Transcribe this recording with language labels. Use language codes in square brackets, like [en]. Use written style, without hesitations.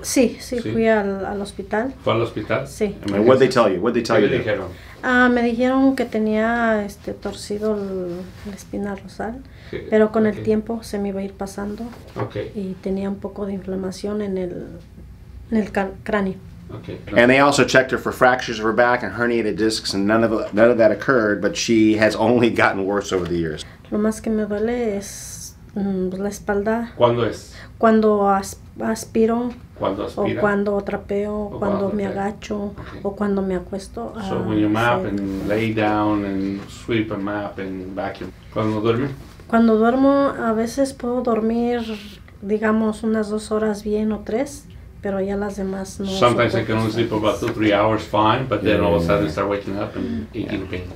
[es] Sí, sí, sí. Fui al hospital. ¿Fue al hospital? Sí. ¿Qué te dijeron? Me dijeron que tenía torcido la espina dorsal, okay. Pero con el tiempo se me iba a ir pasando. Okay. Y tenía un poco de inflamación en el cráneo. Okay. [en] And they also checked her for fractures of her back and herniated discs, and none of that occurred, but she has only gotten worse over the years. [es] Lo más que me duele es la espalda. ¿Cuándo es? Cuando aspiro. Cuando aspira. O cuando trapeo, o cuando me agacho, okay. O cuando me acuesto. [en] So when you mop and lay down and sweep and mop and vacuum. [es] ¿Cuándo duerme? Cuando duermo, a veces puedo dormir, digamos, unas 2 horas bien o 3, pero ya las demás no. [en] Sometimes I can only sleep about 2-3 hours fine, but then all of a sudden I start waking up and aching pain.